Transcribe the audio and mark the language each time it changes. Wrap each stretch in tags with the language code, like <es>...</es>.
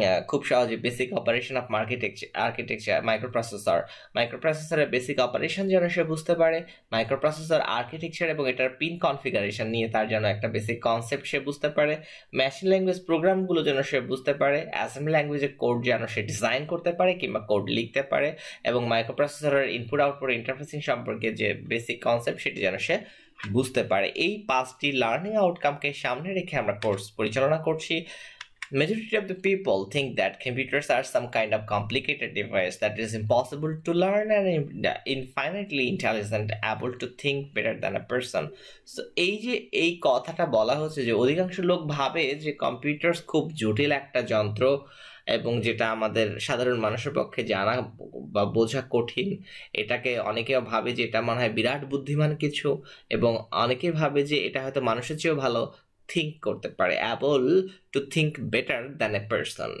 <bn>খুব সহজে basic operation of architecture microprocessor, মাইক্রোপ্রসেসরের basic operation যেন সে বুঝতে পারে, মাইক্রোপ্রসেসর আর্কিটেকচার এবং এটার পিন কনফিগারেশন নিয়ে তার যেন একটা বেসিক কনসেপ্ট সে বুঝতে পারে, মেশিন ল্যাঙ্গুয়েজ প্রোগ্রামগুলো যেন সে বুঝতে পারে, অ্যাসেম্বলি ল্যাঙ্গুয়েজের কোড যেন সে ডিজাইন করতে পারে কিংবা কোড লিখতে পারে, এবং মাইক্রোপ্রসেসরের ইনপুট আউটপুট ইন্টারফেসিং সম্পর্কে যে বেসিক কনসেপ্ট সেটি যেন সে বুঝতে পারে। এই পাঁচটি লার্নিং আউটকামকে সামনে রেখে আমরা কোর্স পরিচালনা করছি।</bn> <en>Majority of the people think that computers are some kind of complicated device that is impossible to learn and infinitely intelligent, able to think better than a person.</en> <bn>So এই যে এই কথাটা বলা হচ্ছে যে অধিকাংশ লোক ভাবে যে কম্পিউটার্স খুব জটিল একটা যন্ত্র এবং যেটা আমাদের সাধারণ মানুষের পক্ষে জানা বা বোঝা কঠিন, এটাকে অনেকেও ভাবে যে এটা মনে হয় বিরাট বুদ্ধিমান কিছু এবং অনেকে ভাবে যে এটা হয়তো মানুষের চেয়েও ভালো থিঙ্ক করতে পারে,</bn> <en>Able to think better than a person.</en>